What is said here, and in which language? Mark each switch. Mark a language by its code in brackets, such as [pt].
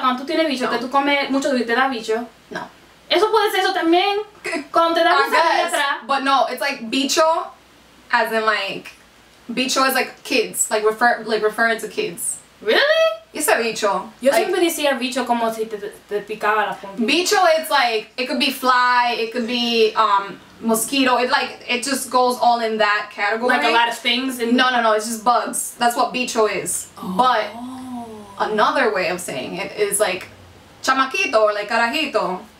[es] Cuando tú tienes bicho, no. Que tú comes mucho y te da bicho. No. Eso puede ser eso también. Cuando te da bicho de atrás. [en] But no, it's like bicho, as in like, bicho is like kids, like referring to kids. Really? You said bicho. [es] Yo like, siempre decía bicho como si te picaba la punta. [en] Bicho is like, it could be fly, it could be mosquito, it like, it just goes all in that category. Like a lot of things? In No, it's just bugs. That's what bicho is. Oh. But another way of saying it is like chamaquito or like carajito.